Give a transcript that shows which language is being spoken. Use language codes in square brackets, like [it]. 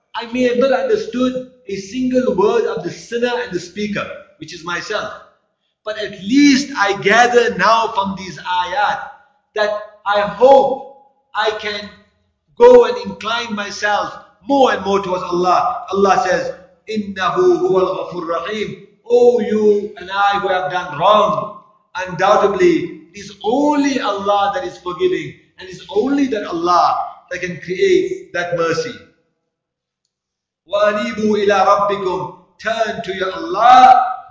[en] I may have not understood a single word of the sinner and the speaker, which is myself. But at least I gather now from these ayat that I hope I can go and incline myself more and more towards Allah. Allah says, [ar] إِنَّهُ هُوَ الْغَفُرُ الرَّحِيمُ. [en] Oh, you and I who have done wrong, undoubtedly, it is only Allah that is forgiving, and it's only that Allah that can create that mercy. [ar] وَأَنِيبُوا إِلَىٰ رَبِّكُمْ. [en] Turn to your Allah.